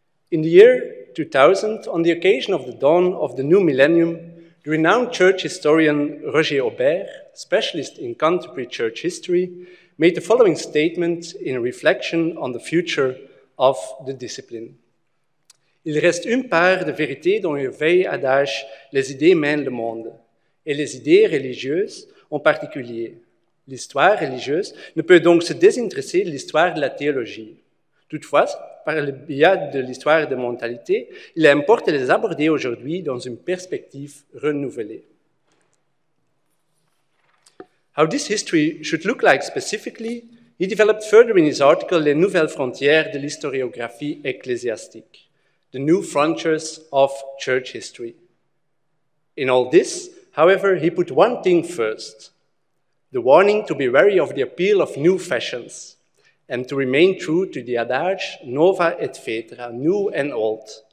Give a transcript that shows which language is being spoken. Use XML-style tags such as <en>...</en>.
<en>In the year 2000, on the occasion of the dawn of the new millennium, the renowned church historian Roger Aubert, specialist in contemporary church history, made the following statement in a reflection on the future of the discipline.</en> <fr>Il reste une part de vérité dont le vieil adage les idées mènent le monde, et les idées religieuses en particulier. L'histoire religieuse ne peut donc se désintéresser de l'histoire de la théologie. Toutefois, par le biais de l'histoire des mentalités, il importe de les aborder aujourd'hui dans une perspective renouvelée.</fr> <en>How this history should look like specifically, he developed further in his article</en> <fr>Les nouvelles frontières de l'historiographie ecclésiastique,</fr> <en>The New Frontiers of Church History. In all this, however, he put one thing first, the warning to be wary of the appeal of new fashions, and to remain true to the adage,</en> <la>nova et vetera,</la> <en>new and old.</en>